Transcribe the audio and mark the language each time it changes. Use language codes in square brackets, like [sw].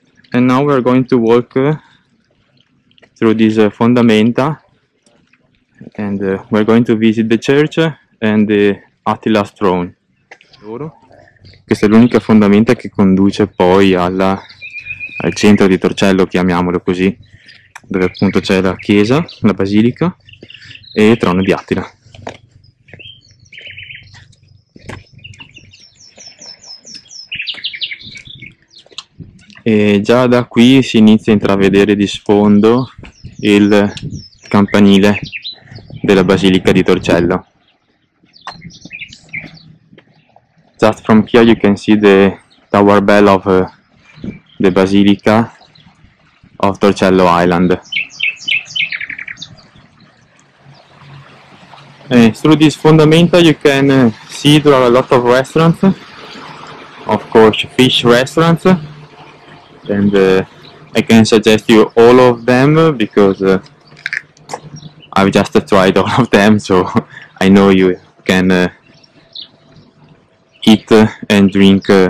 [en] And now we are going to walk through these fondamenta and we are going to visit the church and the Attila's Throne. [it] Questa è l'unica fondamenta che conduce poi al centro di Torcello, chiamiamolo così, dove appunto c'è la chiesa, la basilica e il trono di Attila. E già da qui si inizia a intravedere di sfondo il campanile della basilica di Torcello. [en] Just from here you can see the tower bell of the Basilica of Torcello Island. And through this fundamental you can see there are a lot of restaurants, of course fish restaurants, and I can suggest you all of them because I've just tried all of them, so I know you can eat and drink